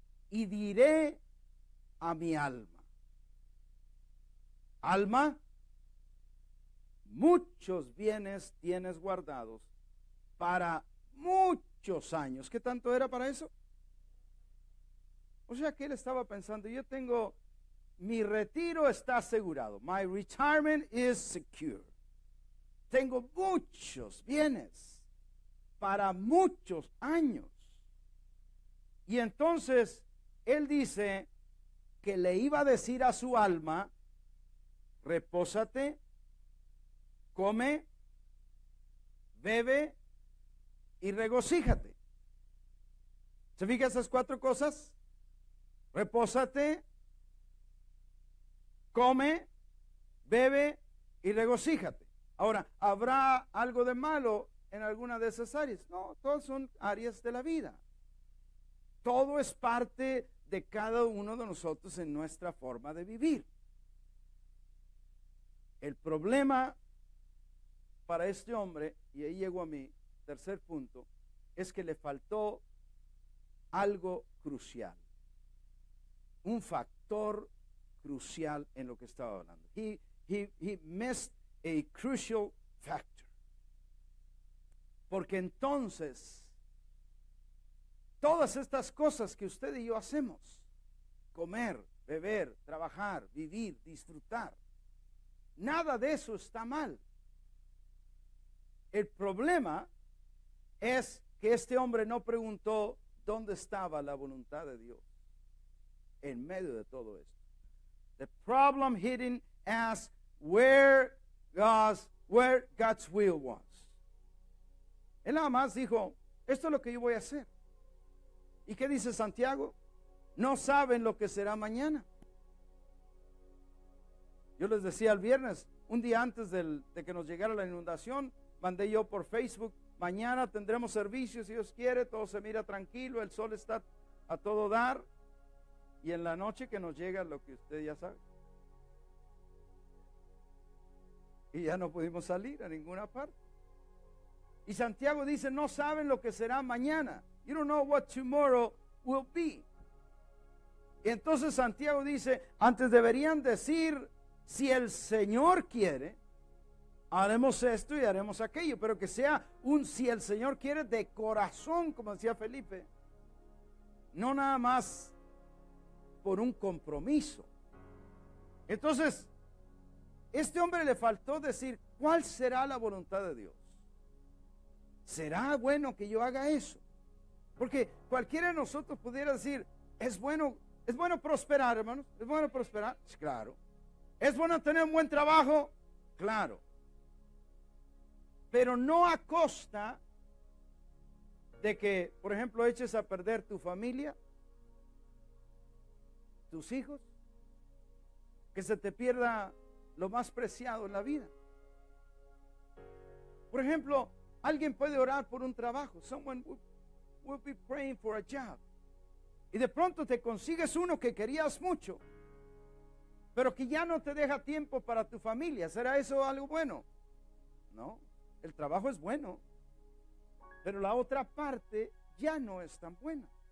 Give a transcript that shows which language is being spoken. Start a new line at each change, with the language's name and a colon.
Spanish: y diré a mi alma, alma, muchos bienes tienes guardados para muchos años. ¿Qué tanto era para eso? O sea, que él estaba pensando, yo tengo, mi retiro está asegurado.
English: My retirement is secure.
Spanish: Tengo muchos bienes para muchos años. Y entonces, él dice que le iba a decir a su alma, repósate, come, bebe y regocíjate. ¿Se fija esas cuatro cosas? Repósate, come, bebe y regocíjate. Ahora, ¿habrá algo de malo en alguna de esas áreas? No, todas son áreas de la vida. Todo es parte de cada uno de nosotros en nuestra forma de vivir. El problema para este hombre, y ahí llego a mi tercer punto, es que le faltó algo crucial. Un factor crucial en lo que estaba hablando.
English: He missed a crucial factor.
Spanish: Porque entonces, todas estas cosas que usted y yo hacemos, comer, beber, trabajar, vivir, disfrutar, nada de eso está mal. El problema es que este hombre no preguntó dónde estaba la voluntad de Dios en medio de todo esto.
English: The problem hidden as where God's will was.
Spanish: Él nada más dijo, esto es lo que yo voy a hacer. ¿Y qué dice Santiago? No saben lo que será mañana. Yo les decía el viernes, un día antes de que nos llegara la inundación, mandé yo por Facebook, mañana tendremos servicio si Dios quiere, todo se mira tranquilo, el sol está a todo dar. Y en la noche que nos llega lo que usted ya sabe. Y ya no pudimos salir a ninguna parte. Y Santiago dice, no saben lo que será mañana.
English: You don't know what tomorrow will be.
Spanish: Y entonces Santiago dice, antes deberían decir, si el Señor quiere, haremos esto y haremos aquello. Pero que sea un si el Señor quiere de corazón, como decía Felipe. No nada más por un compromiso. Entonces, este hombre le faltó decir, ¿cuál será la voluntad de Dios? ¿Será bueno que yo haga eso? Porque cualquiera de nosotros pudiera decir, es bueno prosperar, hermanos. ¿Es bueno prosperar? Claro. ¿Es bueno tener un buen trabajo? Claro. Pero no a costa de que, por ejemplo, eches a perder tu familia, tus hijos, que se te pierda lo más preciado en la vida. Por ejemplo, alguien puede orar por un trabajo.
English: Someone will be praying for a job.
Spanish: Y de pronto te consigues uno que querías mucho, pero que ya no te deja tiempo para tu familia. ¿Será eso algo bueno? No, el trabajo es bueno, pero la otra parte ya no es tan buena.